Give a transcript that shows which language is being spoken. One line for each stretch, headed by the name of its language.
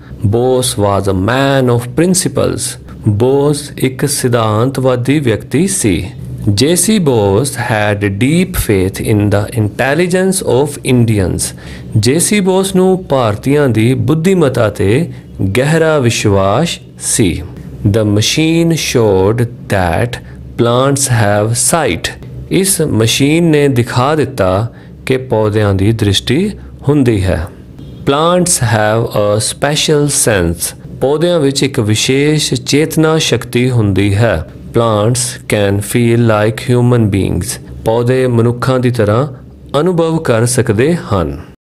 English: Bose was a man of principles,
Punjabi: Bose ਇੱਕ ਸਿਧਾਂਤਵਾਦੀ ਵਿਅਕਤੀ ਸੀ। ਜੇ ਸੀ Bose head deep faith in the intelligence of Indians, ਜੇ ਸੀ ਬੋਸ ਨੂੰ ਭਾਰਤੀਆਂ ਦੀ ਬੁੱਧੀਮਤਾ 'ਤੇ ਗਹਿਰਾ ਵਿਸ਼ਵਾਸ ਸੀ।
English: The machine showed that plants have sight.
Punjabi: ਇਸ ਮਸ਼ੀਨ ਨੇ ਦਿਖਾ ਦਿੱਤਾ ਕਿ ਪੌਦਿਆਂ ਦੀ ਦ੍ਰਿਸ਼ਟੀ ਹੁੰਦੀ ਹੈ।
English: Plants have a special sense.
Punjabi: ਪੌਦਿਆਂ ਵਿੱਚ ਇੱਕ ਵਿਸ਼ੇਸ਼ ਚੇਤਨਾ ਸ਼ਕਤੀ ਹੁੰਦੀ ਹੈ।
English: Plants can feel like human beings.
Punjabi: ਪੌਦੇ ਮਨੁੱਖਾਂ ਦੀ ਤਰ੍ਹਾਂ ਅਨੁਭਵ ਕਰ ਸਕਦੇ ਹਨ।